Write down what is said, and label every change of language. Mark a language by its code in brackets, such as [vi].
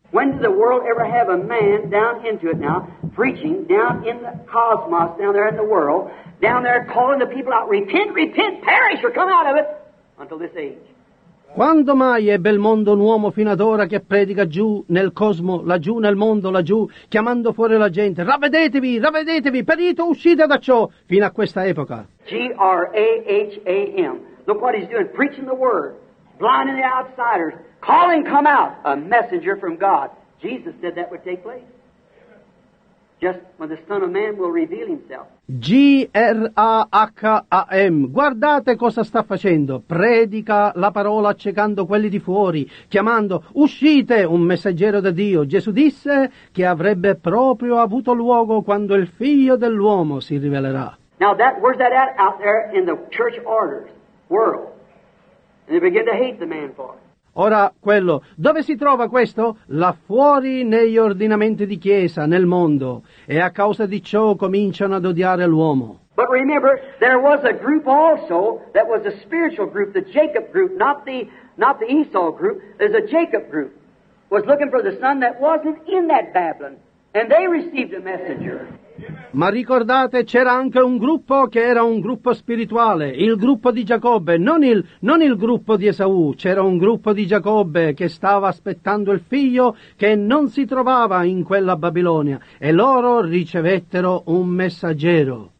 [en] When did the world ever have a man down into it now, preaching down in the cosmos, down there in the world, down there calling the people out, repent, repent, perish, or come out of it, until this age? [it] Quando mai ebbe il mondo un uomo fino ad ora che predica giù nel cosmo, laggiù nel mondo, laggiù, chiamando fuori la gente, ravvedetevi, ravvedetevi, perito, uscite da ciò, fino a questa epoca? [en] G-R-A-H-A-M. Look what he's doing, preaching the word, blinding the outsiders, calling, come out, a messenger from God. Jesus said that would take place. Just when the Son of Man will reveal himself. G-R-A-H-A-M. [it] Guardate cosa sta facendo. Predica la parola accecando quelli di fuori, chiamando, uscite, un messaggero da Dio. Gesù disse che avrebbe proprio avuto luogo quando il Figlio dell'uomo si rivelerà. [en] Now, that, where's that at out there in the church orders, world? And they begin to hate the man for it. [it] Ora, quello, dove si trova questo? Là fuori negli ordinamenti di chiesa, nel mondo. E a causa di ciò cominciano ad odiare l'uomo. [en] But remember, there was a group also that was a spiritual group, the Jacob group, not the Esau group. There's a Jacob group, was looking for the son that wasn't in that Babylon. And they received a messenger. [it] Ma ricordate, c'era anche un gruppo che era un gruppo spirituale, il gruppo di Giacobbe, non il gruppo di Esaù, c'era un gruppo di Giacobbe che stava aspettando il figlio che non si trovava in quella Babilonia, e loro ricevettero un messaggero.